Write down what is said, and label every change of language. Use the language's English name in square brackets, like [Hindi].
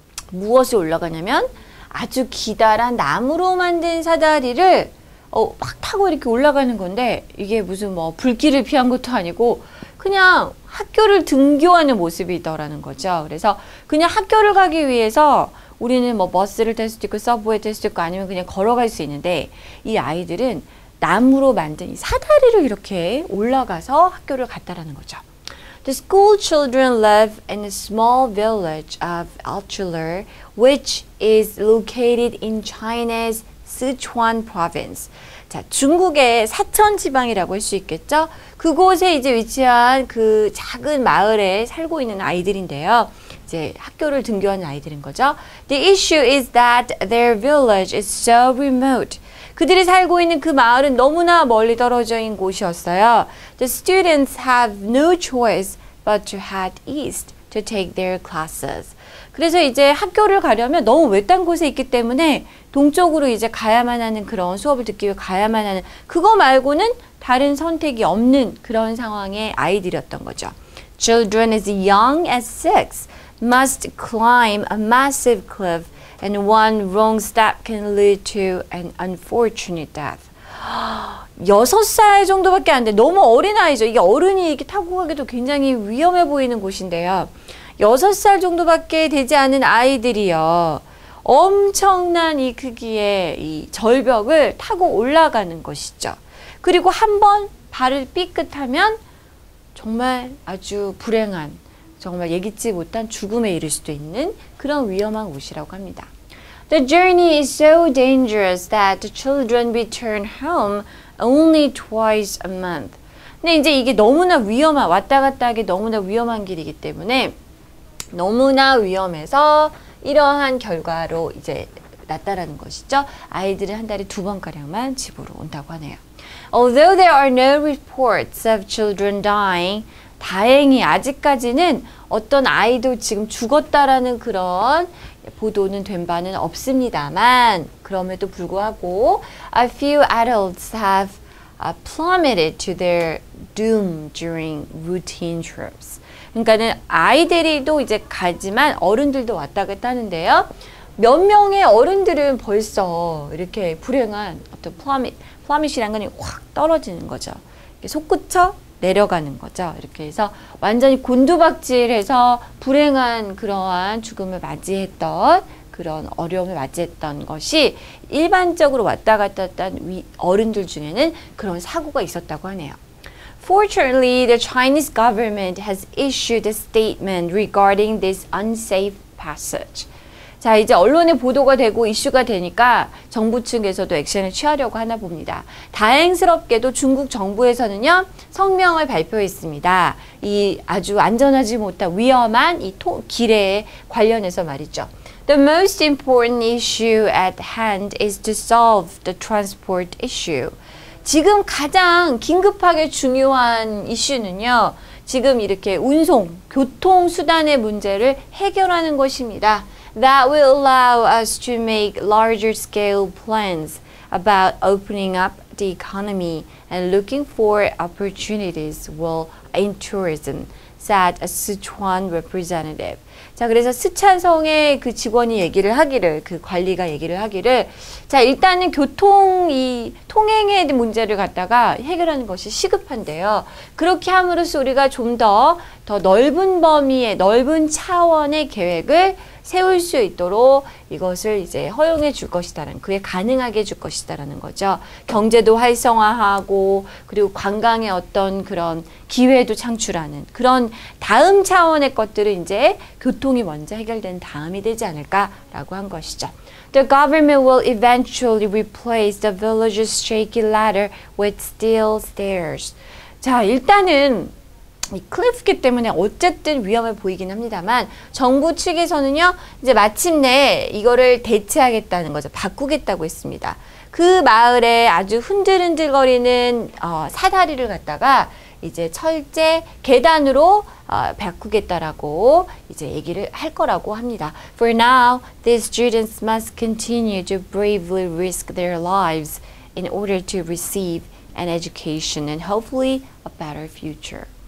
[Korean] 무엇을 올라가냐면 아주 기다란 나무로 만든 사다리를 막 타고 이렇게 올라가는 건데 이게 무슨 뭐 불길을 피한 것도 아니고 그냥 학교를 등교하는 모습이더라는 거죠. 그래서 그냥 학교를 가기 위해서 우리는 뭐 버스를 탈 수도 있고 서브웨이 탈 수도 있고 아니면 그냥 걸어갈 수 있는데 이 아이들은 나무로 만든 이 사다리를 이렇게 올라가서 학교를 갔다라는 거죠. [English] The school children live in a small village of Altular, which is located in China's Sichuan province. [Korean] 자, 중국의 사천 지방이라고 할 수 있겠죠? 그곳에 이제 위치한 그 작은 마을에 살고 있는 아이들인데요. 이제 학교를 등교하는 아이들인 거죠. [English] The issue is that their village is so remote. [Korean] 그들이 살고 있는 그 마을은 너무나 멀리 떨어져 있는 곳이었어요. [English] The students have no choice but to head east to take their classes. [Korean] 그래서 이제 학교를 가려면 너무 외딴 곳에 있기 때문에 동쪽으로 이제 가야만 하는 그런 수업을 듣기 위해 가야만 하는 그거 말고는 다른 선택이 없는 그런 상황의 아이들이었던 거죠. [English] Children as young as six must climb a massive cliff and one wrong step can lead to an unfortunate death. [Korean] 6살 정도밖에 안 돼. 너무 어린 아이죠. 이게 어른이 이렇게 타고 가기도 굉장히 위험해 보이는 곳인데요. 6살 정도밖에 되지 않은 아이들이요. 엄청난 이 크기의 이 절벽을 타고 올라가는 것이죠. 그리고 한번 발을 삐끗하면 정말 아주 불행한, 정말 예기치 못한 죽음에 이를 수도 있는 그런 위험한 곳이라고 합니다. [English] The journey is so dangerous that the children return home only twice a month. [Korean] 근데 이제 이게 너무나 위험한, 왔다 갔다 하기 너무나 위험한 길이기 때문에 너무나 위험해서 이러한 결과로 이제 났다라는 것이죠. 아이들은 한 달에 두 번가량만 집으로 온다고 하네요. [English] Although there are no reports of children dying, [Korean] 다행히 아직까지는 어떤 아이도 지금 죽었다라는 그런 보도는 된 바는 없습니다만 그럼에도 불구하고 [English] a few adults have plummeted to their doom during routine trips. [Korean] 그러니까는 아이들이도 이제 가지만 어른들도 왔다 갔다 하는데요. 몇 명의 어른들은 벌써 이렇게 불행한 어떤 plummet이란 건 확 떨어지는 거죠. 이렇게 속구쳐 내려가는 거죠. 이렇게 해서 완전히 곤두박질해서 불행한 그러한 죽음을 맞이했던 그런 어려움을 맞이했던 것이 일반적으로 왔다 갔다 했던 어른들 중에는 그런 사고가 있었다고 하네요. [English] Fortunately, the Chinese government has issued a statement regarding this unsafe passage. [Korean] 자, 이제 언론에 보도가 되고 이슈가 되니까 정부 측에서도 액션을 취하려고 하나 봅니다. 다행스럽게도 중국 정부에서는요, 성명을 발표했습니다. 이 아주 안전하지 못한 위험한 이 길에 관련해서 말이죠. [English] The most important issue at hand is to solve the transport issue. [Korean] 지금 가장 긴급하게 중요한 이슈는요, 지금 이렇게 운송, 교통수단의 문제를 해결하는 것입니다. [English] That will allow us to make larger scale plans about opening up the economy and looking for opportunities in tourism, said a Sichuan representative. [Korean] 자, 그래서 스촨성의 그 직원이 얘기를 하기를, 그 관리가 얘기를 하기를, 자, 일단은 교통, 이 통행의 문제를 갖다가 해결하는 것이 시급한데요. 그렇게 함으로써 우리가 좀 더 넓은 범위의, 넓은 차원의 계획을 세울 수 있도록 이것을 이제 허용해 줄 것이다라는, 그게 가능하게 줄 것이다라는 거죠. 경제도 활성화하고, 그리고 관광의 어떤 그런 기회도 창출하는 그런 다음 차원의 것들을 이제 교통이 먼저 해결된 다음이 되지 않을까라고 한 것이죠. [English] The government will eventually replace the village's shaky ladder with steel stairs. [Korean] 자, 일단은 이 클리프기 때문에 어쨌든 위험해 보이긴 합니다만 정부 측에서는요 이제 마침내 이거를 대체하겠다는 거죠. 바꾸겠다고 했습니다. 그 마을에 아주 흔들흔들거리는 사다리를 갖다가 이제 철제 계단으로 바꾸겠다라고 이제 얘기를 할 거라고 합니다. [English] For now, the students must continue to bravely risk their lives in order to receive an education and hopefully a better future.